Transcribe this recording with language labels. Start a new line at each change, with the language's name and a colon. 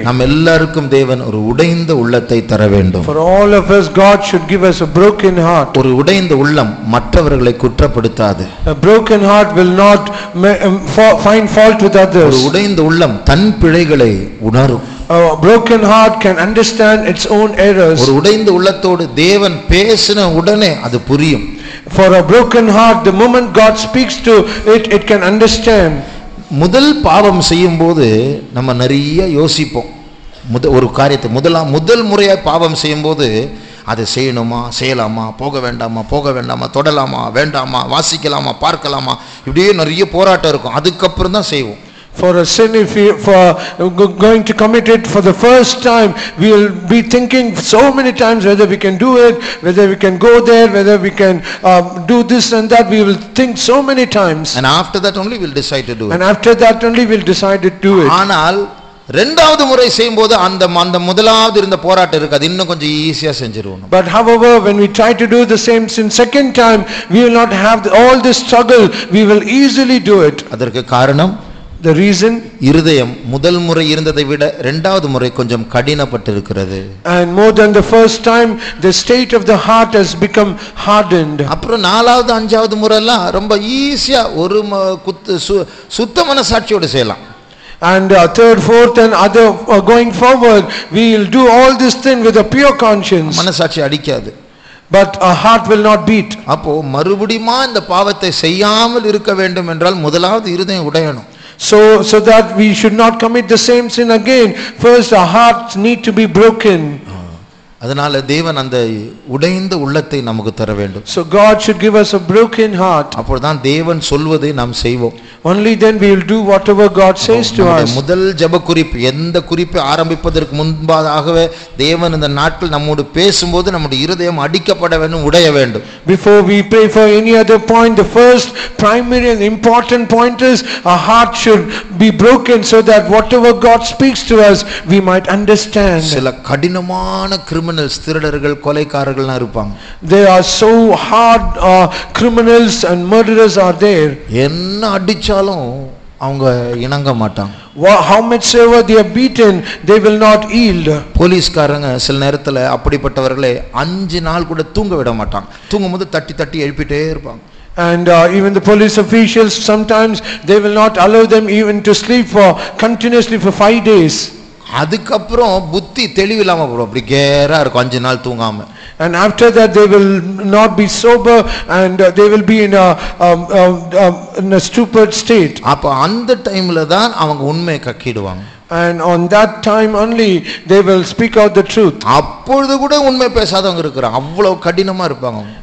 Tamil: நம் எல்லாருக்கும் தேவன் ஒரு உடைந்த உள்ளத்தை தர வேண்டும்.
English: For all of us, God should give us a broken heart.
Tamil: ஒரு உடைந்த உள்ளம் மற்றவர்களை குற்றப்படுத்தாது.
English: A broken heart will not find fault with others.
Tamil: ஒரு உடைந்த உள்ளம் தன் பிழைகளை உணரும்.
English: A broken heart can understand its own errors.
Tamil: ஒரு உடைந்த உள்ளத்தோடு தேவன் பேசின உடனே அது புரியும்.
English: For a broken heart, the moment God speaks to it, it can understand.
Tamil: முதல் பாவம் செய்யும் போது நம்ம நிறைய யோசிப்போம். ஒரு காரியத்தை முதல் முறையாக பாவம் செய்யும் போது அதை செய்யணுமா, செய்யலாமா, போக வேண்டாமா, தொடலாமா, வேண்டாமா, வாசிக்கலாமா, பார்க்கலாமா, இப்படியே நிறைய போராட்டம் இருக்கும். அதுக்கப்புறம் தான் செய்வோம்.
English: For a sin, if you going to commit it for the first time, we will be thinking so many times whether we can do it, whether we can go there, whether we can do this and that. We will think so many times, and after that only we'll decide to do it. And after that only we'll decide to do it.
Tamil: ஆனால் ரெண்டாவது முறை செய்யும்போது அந்த அந்த முதலாவது இருந்த போராட்டம் இருக்காது, இன்னும் கொஞ்சம் ஈஸியா செஞ்சிருவோம்.
English: But however, when we try to do the same sin second time, we will not have all this struggle, we will easily do it.
Tamil: அதற்கு காரணம்,
English: the reason,
Tamil: இருதயம் முதல் முறை இருந்ததை விட இரண்டாவது முறை கொஞ்சம் கடினப்பட்டிருக்கிறது.
English: And more than the first time, the state of the heart has become hardened.
Tamil: அப்புறம் நானாவது அஞ்சாவது முறையெல்லாம் ரொம்ப ஈஸியா ஒரு சுத்த மனசாட்சியோடு செய்யலாம்.
English: And third, fourth and other going forward, we will do all this thing with a pure conscience.
Tamil: மனசாட்சி அடிக்காது,
English: but a heart will not beat.
Tamil: அப்போ மறுபடியும்மா இந்த பாவத்தை செய்யாமல் இருக்க வேண்டும் என்றால் முதலாவது இருதயம் உடையணும்.
English: So that we should not commit the same sin again, first our hearts need to be broken.
Tamil: அதனால தேவன் அந்த உடைந்த உள்ளத்தை நமக்கு தர வேண்டும்.
English: So God should give us a broken heart.
Tamil: அப்பொழுதுதான் தேவன் சொல்வதை நாம் செய்வோம்.
English: Only then we will do whatever God says to us.
Tamil: முதல் ஜெப குறிப்பு, எந்த குறிப்பு ஆரம்பிப்பதற்கு முன்பாகவே தேவன் இந்த நாட்கள் நம்மோடு பேசும்போது நம்முடைய இருதயம் அடிக்கப்பட வேண்டும், உடைய வேண்டும்.
English: Before we pray for any other point, the first primary and important point is our heart should be broken so that whatever God speaks to us, we might understand.
Tamil: சில கடினமான கிரிமினல்ஸ், திருடர்கள், கொலைக்காரர்கள் இருப்பாங்க.
English: They are so hard criminals and murderers are there.
Tamil: என்ன அடிச்சாலும் அவங்க இணங்க மாட்டாங்க.
English: How much ever they are beaten, they will not yield.
Tamil: போலீஸ்காரங்க சில நேரத்துல அப்படிப்பட்டவர்களே 5 நாள் கூட தூங்க விட மாட்டாங்க. தூங்கும்போது தட்டி தட்டி எழுப்பிட்டே இருப்பாங்க.
English: And even the police officials, sometimes they will not allow them even to sleep for continuously for 5 days.
Tamil: அதுக்கப்புறம் புத்தி தெளிவில்லாம போறோம், அப்படி கேரா இருக்கும் 5 நாள் தூங்காம.
English: And after that they will not be sober and they will be in a stupid state.
Tamil: அப்ப அந்த டைம்ல தான் அவங்க உண்மை கக்கிடுவாங்க.
English: And on that time only they will speak out the truth.
Tamil: அப்பொழுது கூட உண்மை பேசாதவங்க இருக்கறாங்க, அவ்வளவு கடினமா இருப்பாங்க.